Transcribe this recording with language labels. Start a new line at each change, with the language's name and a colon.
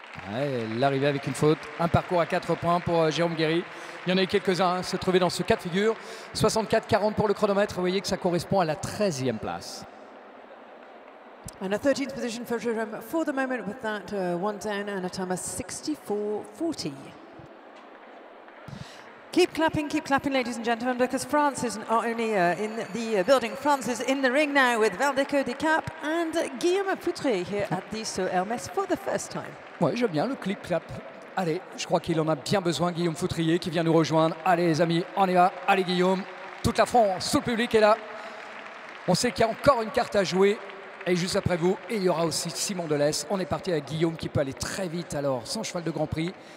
French: Ouais, l'arrivée avec une faute, un parcours à 4 points pour Jérôme Guéry. Il y en a eu quelques-uns se trouver dans ce cas de figure. 64-40 pour le chronomètre, vous voyez que ça correspond à la 13e place.
English: And a 13th position for Jérôme for the moment with that one down and a time of 64-40. Keep clapping, ladies and gentlemen, because France is not only in the building. France is in the ring now with Valdeco de Cap and Guillaume Poutré here at the So Hermès for the first time.
French: Ouais, j'aime bien le clip clap. Allez, je crois qu'il en a bien besoin, Guillaume Poutrier, qui vient nous rejoindre. Allez, les amis, on y va. Allez, Guillaume, toute la France, tout le public est là. On sait qu'il y a encore une carte à jouer. Et juste après vous, il y aura aussi Simon Delès. On est parti avec Guillaume qui peut aller très vite, alors, son cheval de Grand Prix.